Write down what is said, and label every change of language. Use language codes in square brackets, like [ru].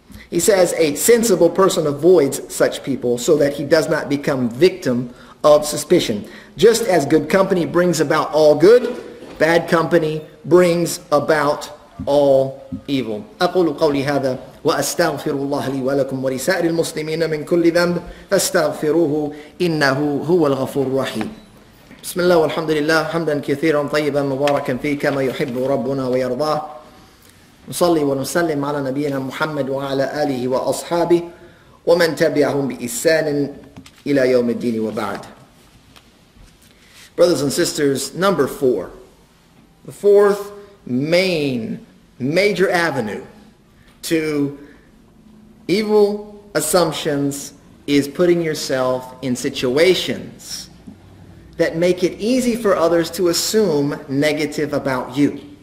[en] He says, a sensible person avoids such people so that he does not become victim of suspicion. Just as good company brings about all good, bad company brings about all evil. [ar] أقول قولي هذا وأستغفر الله لي ولكم ولسائر المسلمين من كل ذنب فاستغفروه إنه هو الغفور الرحيم. بسم الله والحمد لله حمدا كثيرا طيبا مباركا فيه كما يحب ربنا ويرضاه. نصلي ونسلم على نبينا محمد وعلى آله وأصحابه ومن تبعهم بإحسان إلى يوم الدين وبعد. [en] Brothers and sisters, number four, the fourth main major avenue to evil assumptions is putting yourself in situations that make it easy for others to assume negative about you.